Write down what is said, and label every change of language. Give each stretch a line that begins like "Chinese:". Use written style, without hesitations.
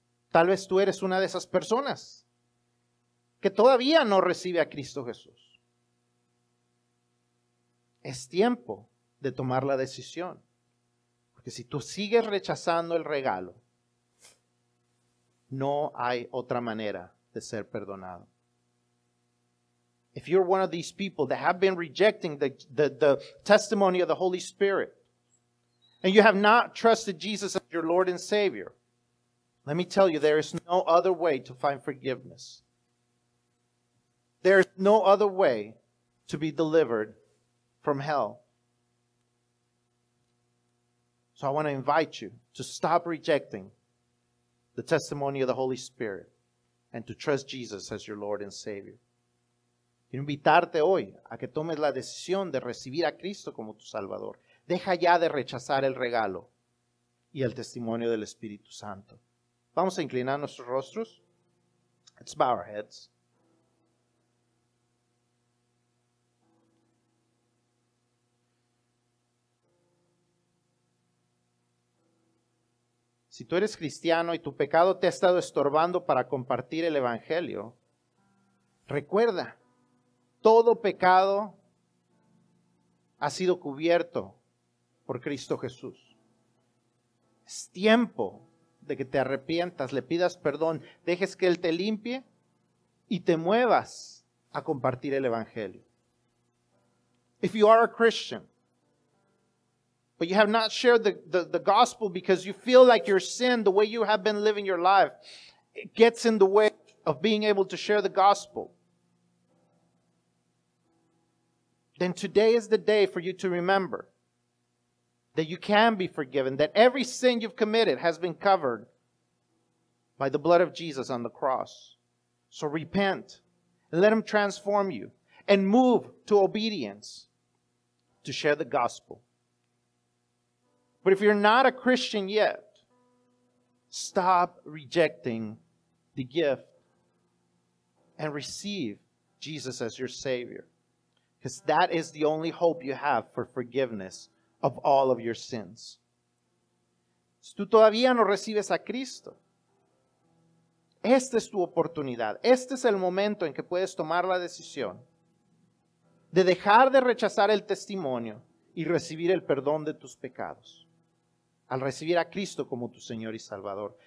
Spanish: Tal vez tú eres una de esas personas que todavía no recibe a Cristo Jesús. Es tiempo de tomar la decisión. Que si tú sigues rechazando el regalo, no hay otra manera de ser perdonado.
English: If you're one of these people that have been rejecting the testimony of the Holy Spirit, and you have not trusted Jesus as your Lord and Savior, let me tell you, there is no other way to find forgiveness. There is no other way to be delivered from hell. So I want to invite you to stop rejecting the testimony of the Holy Spirit and to trust Jesus as your Lord and Savior.
Spanish: Quiero invitarte hoy a que tomes la decisión de recibir a Cristo como tu Salvador. Deja ya de rechazar el regalo y el testimonio del Espíritu Santo. Vamos a inclinar nuestros rostros.
English: Let's bow our heads.
Spanish: Si tú eres cristiano y tu pecado te ha estado estorbando para compartir el Evangelio, recuerda, todo pecado ha sido cubierto por Cristo Jesús. Es tiempo de que te arrepientas, le pidas perdón, dejes que Él te limpie y te muevas a compartir el Evangelio.
English: If you are a Christian, but you have not shared the gospel because you feel like your sin, the way you have been living your life, it gets in the way of being able to share the gospel, then today is the day for you to remember that you can be forgiven, that every sin you've committed has been covered by the blood of Jesus on the cross. So repent and let him transform you and move to obedience to share the gospel. But if you're not a Christian yet, stop rejecting the gift and receive Jesus as your Savior. Because that is the only hope you have for forgiveness of all of your sins.
Spanish: Si tú todavía no recibes a Cristo, esta es tu oportunidad. Este es el momento en que puedes tomar la decisión de dejar de rechazar el testimonio y recibir el perdón de tus pecados. Al recibir a Cristo como tu Señor y Salvador.